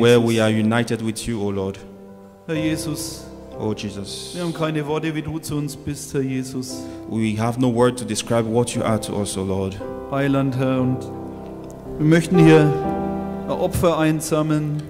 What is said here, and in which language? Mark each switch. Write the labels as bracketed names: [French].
[English] Where we are united with you, O Lord. [German] Herr Jesus. [English] Oh Jesus. [German] Wir haben keine Worte, wie du zu uns bist, Herr Jesus. [English] We have no word to describe what you are to us, O Lord. [German] Heiland, Herr, und wir möchten hier ein Opfer einsammeln.